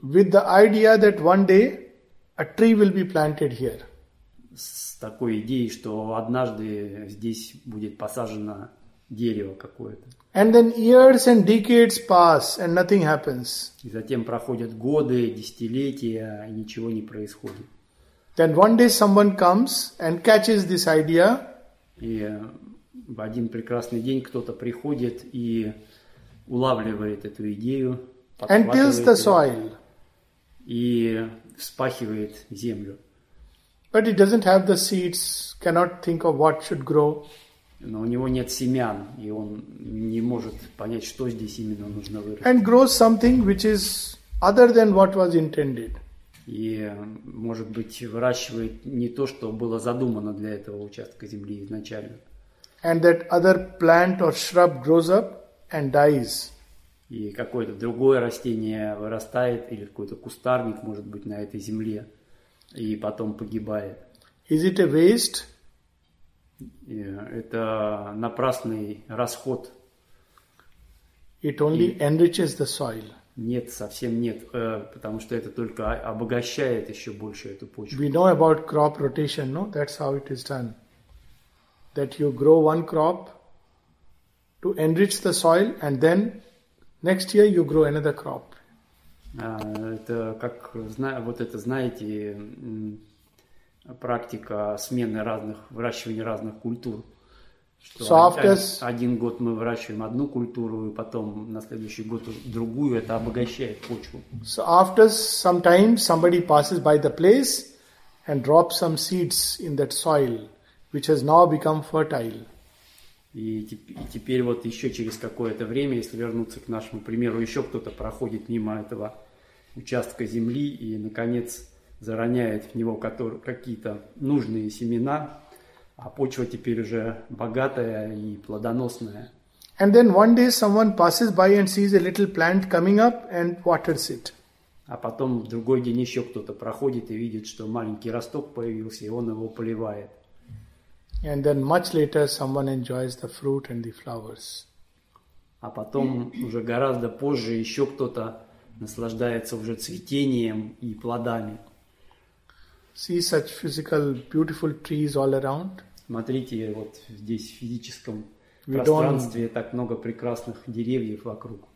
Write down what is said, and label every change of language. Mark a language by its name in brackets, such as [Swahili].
[English] With the idea that one day a tree will be planted here. [Russian] С такой идеей, что однажды здесь будет посажено дерево какое-то. [English] And then years and decades pass and nothing happens. [Russian] И затем проходят годы, десятилетия, и ничего не происходит. [English] Then one day someone comes and catches this idea. [Russian] И в один прекрасный день кто-то приходит и улавливает эту идею. [English] And tills the soil. [Russian] И вспахивает землю. [English] But it doesn't have the seeds, cannot think of what should grow. [Russian] Но у него нет семян, и он не может понять, что здесь именно нужно вырастить. [English] And grows something which is other than what was intended. [Russian] И, может быть, выращивает не то, что было задумано для этого участка земли изначально. [English] And that other plant or shrub grows up and dies. [Russian] И какое-то другое растение вырастает, или какой-то кустарник, может быть, на этой земле, и потом погибает. [English] Is it a waste? [Russian] Это напрасный расход. [English] It only enriches the soil. [Russian] Нет, совсем нет, потому что это только обогащает еще больше эту почву. [English] We know about crop rotation, no? That's how it is done. That you grow one crop to enrich the soil, and then next year you grow another crop. [Russian] Это как вот это, знаете, практика смены разных, выращивания разных культур. Что [English] so after, [Russian] один год мы выращиваем одну культуру, и потом на следующий год другую, это обогащает почву. [English] So after some time somebody passes by the place and drops some seeds in that soil, which has now become fertile. [Russian] И теперь вот еще через какое-то время, если вернуться к нашему примеру, еще кто-то проходит мимо этого участка земли и, наконец, зароняет в него какие-то нужные семена, а почва теперь уже богатая и плодоносная. [English] And then one day someone passes by and sees a little plant coming up and waters it. [Russian] А потом в другой день еще кто-то проходит и видит, что маленький росток появился, и он его поливает. [English] And then much later someone enjoys the fruit and the flowers. [Russian] А потом уже гораздо позже еще кто-то наслаждается уже цветением и плодами. [English] See such physical beautiful trees all around. [Russian] Смотрите, вот здесь в физическом пространстве так много прекрасных деревьев вокруг.